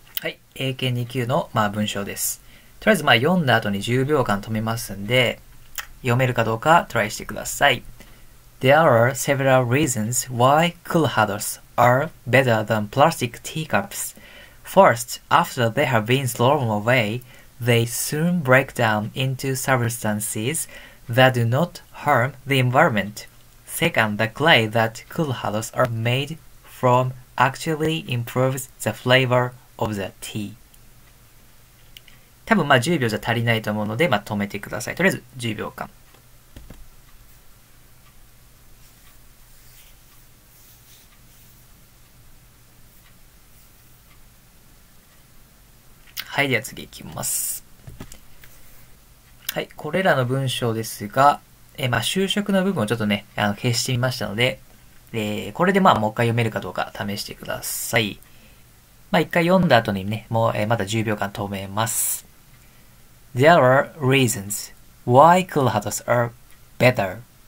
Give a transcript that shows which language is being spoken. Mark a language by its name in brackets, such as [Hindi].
[Japanese] はい、AK2 級の、文章です。とりあえず、読んだ後に10秒間止めますんで、読めるかどうかトライしてください。 [English] There are several reasons why cool holders are better than plastic teacups. First, after they have been thrown away, they soon break down into substances that do not harm the environment. Second, the clay that cool holders are made from actually improves the flavor of the tea. [Japanese] 多分10秒じゃ足りないと思うので、止めてください。とりあえず10秒間。はい、では次いきます。はい、これらの文章ですが、就職の部分をちょっとね、消してみましたので、これでもう一回読めるかどうか試してください。一回読んだ後にね、まだ10秒間止めます。 [English] There are reasons why cool hats are better.